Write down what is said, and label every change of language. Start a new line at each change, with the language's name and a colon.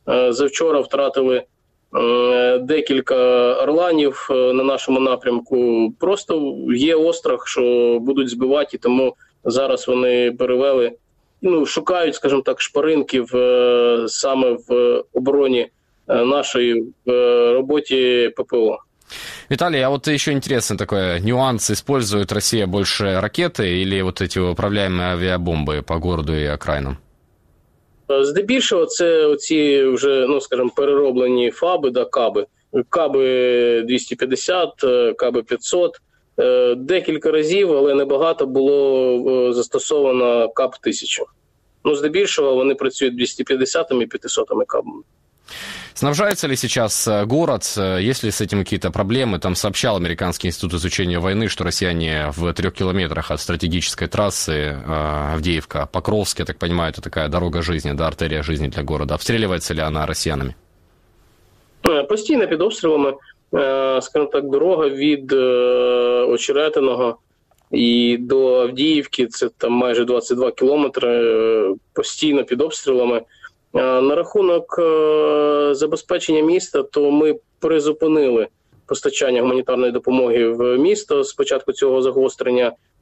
Ukrainian: Завчора втратили декілька орланів на нашому напрямку. Просто є острах, що будуть збивати, і тому зараз вони перевели, ну, шукають, скажімо так, шпаринки саме в обороні нашої, в роботі ППО.
Russian: Виталий, а вот еще интересный такой нюанс. Использует Россия больше ракеты или вот эти управляемые авиабомбы по городу и окраинам?
Ukrainian: Здебільшого це оці вже, ну, скажімо, перероблені ФАБи, да, КАБи. КАБи 250, КАБи 500. Декілька разів, але небагато було застосовано КАБ 1000. Ну, здебільшого вони працюють 250 і 500 КАБами.
Russian: Снабжается ли сейчас город? Есть ли с этим какие-то проблемы? Там сообщал Американский институт изучения войны, что россияне в 3 километрах от стратегической трассы Авдеевка-Покровск, я так понимаю, это такая дорога жизни, да, артерия жизни для города. Обстреливается ли она россиянами?
Ukrainian: Постійно під обстрілами,
Russian: скажем так,
Ukrainian: дорога від Очеретиного і до Авдіївки, це там майже 22 кілометри, постійно під обстрілами. На рахунок забезпечення міста, то ми призупинили постачання гуманітарної допомоги в місто з початку цього загострення.